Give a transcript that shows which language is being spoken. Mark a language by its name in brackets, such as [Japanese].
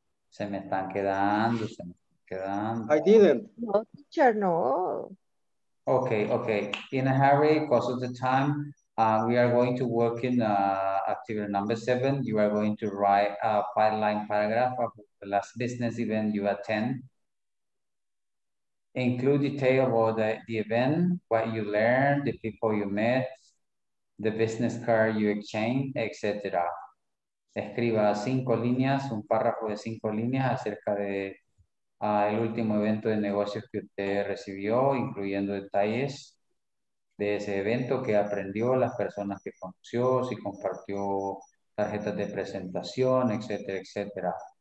[Spanish] Se me están quedando, se me están quedando. [English] I didn't. [Spanish] No, teacher, no. [English] Okay. In a hurry, because of the time, we are going to work in activity number 7. You are going to write a 5-line paragraph of the last business event you attend. Include detail about the event, what you learned, the people you met, the business card you exchanged, etc. [Spanish] Escriba 5 líneas, un párrafo de 5 líneas acerca de el último evento de negocios que usted recibió, incluyendo detalles de ese evento que aprendió, las personas que conoció, si compartió tarjetas de presentación, etcétera, etcétera.